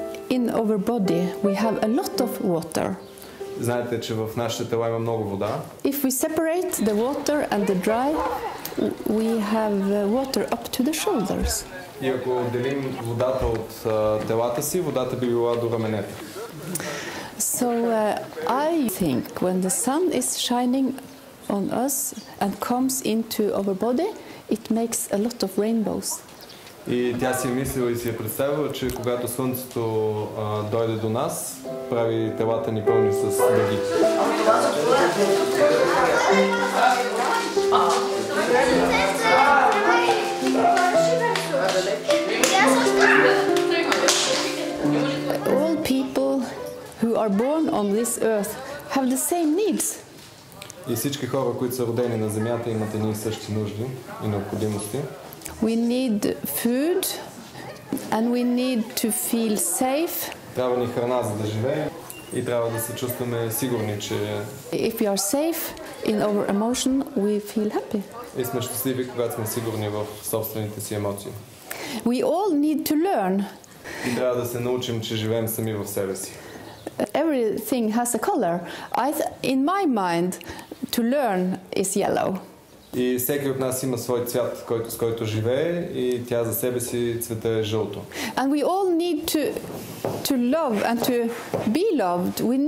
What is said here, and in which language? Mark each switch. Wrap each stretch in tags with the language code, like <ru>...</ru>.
<en>In our body we have a lot of water.</en> <bg>Знаете, че в нашите тела има много вода.</bg> <en>If we separate the water and the dry, we have water up to the shoulders.</en> <bg>И ако отделим водата от телата си, водата би била до раменете.</bg> <en>So I think when the sun is shining on us and comes into our body, it makes a lot of rainbows.</en> <bg>И тя си мислила и си е представила, че когато слънцето дойде до нас, прави телата ни пълни с дъги.</bg> <en>All people who are born on this earth have the same needs.</en> <bg>И всички хора, които са родени на земята, имат едни и същи нужди и необходимости.</bg> <en>We need food and we need to feel safe.</en> <bg>Трябва ни храна, за да живеем и трябва да се чувстваме сигурни, че</bg> <en>if we are safe in our emotion, we feel happy.</en> <bg>И сме щастливи, когато сме сигурни в собствените си емоции.</bg> <en>We all need to learn.</en> <bg>И трябва да се научим, че живеем сами в себе си.</bg> <en>Everything has a color. In my mind, to learn is yellow.</en> <bg>И всеки от нас има свой цвят, с който живее, и тя за себе си цвета е жълто.</bg> <en>And we all need to love and to be loved.</en>